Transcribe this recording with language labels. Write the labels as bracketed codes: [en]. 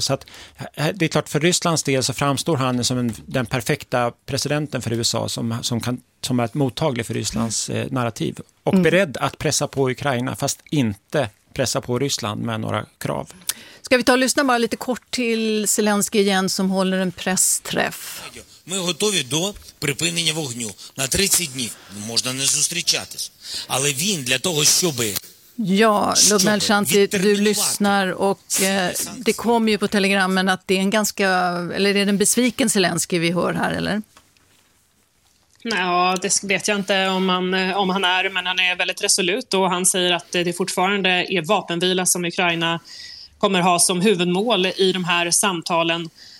[sv] Så att, det är klart, för Rysslands del så framstår han som den perfekta presidenten för USA som är mottaglig för Rysslands narrativ och beredd att pressa på Ukraina, fast inte pressa på Ryssland med några krav. Ska vi ta och lyssna bara lite kort till Zelensky igen, som håller en pressträff. [uk] Ми готові до припинення вогню на 30 днів. Можна не зустрічатись. Але він для того, щоб [sv] Ja, Ludmila Elshanti, du lyssnar, och det kom ju på telegrammen att det är en ganska, eller det är en besviken Zelensky vi hör här, eller? Ja, det vet jag inte om han är, men han är väldigt resolut, och han säger att det fortfarande är vapenvila som Ukraina kommer ha som huvudmål i de här samtalen.